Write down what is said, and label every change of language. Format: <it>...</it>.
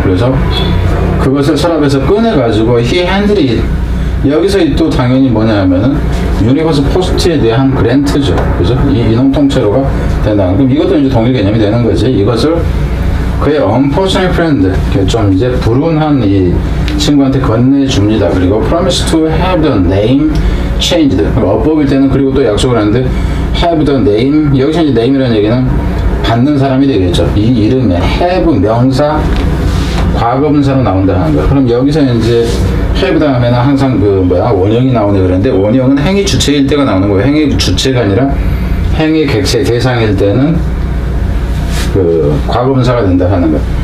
<ko>그래서 그것을 서랍에서 꺼내가지고</ko> <en>he handed it.</en> <ko>여기서 또 당연히 뭐냐면은 유니버스 포스트에 대한 그랜트죠. 그래서 이놈 통째로가 된다. 그럼 이것도 이제 동일 개념이 되는 거지. 이것을 그의</ko> <en>unfortunate friend,</en> <ko>좀 이제 불운한 이 친구한테 건네줍니다.</ko> <en>그리고 promise to have the name changed.</en> <ko>어법일 때는 그리고 또 약속을 하는데 have the name, 여기서 이제 name이라는 얘기는 받는 사람이 되겠죠. 이 이름에 have 명사 과거분사로 나온다는 거. 그럼 여기서 이제 have 다음에는 항상 그 뭐야 원형이 나오네. 그런데 원형은 행위 주체일 때가 나오는 거예요. 행위 주체가 아니라 행위 객체 대상일 때는 그 과거분사가 된다 하는 거.</ko>